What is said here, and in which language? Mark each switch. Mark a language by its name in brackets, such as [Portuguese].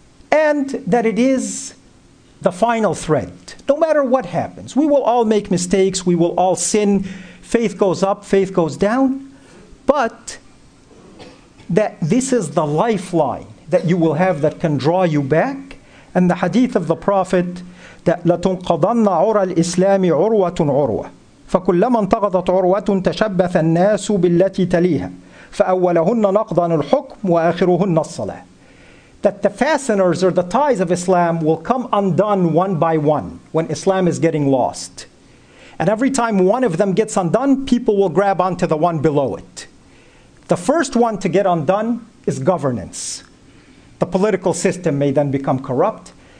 [English] And that it is the final thread. No matter what happens, we will all make mistakes, we will all sin, faith goes up, faith goes down, but that this is the lifeline that you will have that can draw you back. [Arabic] And the hadith of the Prophet, that لَتُنْقَضَنَّ عُرَى الْإِسْلَامِ عُرْوَةٌ عُرْوَةٌ فَكُلَّمَا انْتَغَضَتْ عُرْوَةٌ تَشَبَّثَ النَّاسُ بِالَّتِي تَلِيهَا فَأَوَّلَهُنَّ نَقْضًا الْحُكْمُ وَآخِرُهُنَّ الصَّلَاةُ. [English] That the fasteners or the ties of Islam will come undone one by one when Islam is getting lost. And every time one of them gets undone, people will grab onto the one below it. The first one to get undone is governance. The political system may then become corrupt.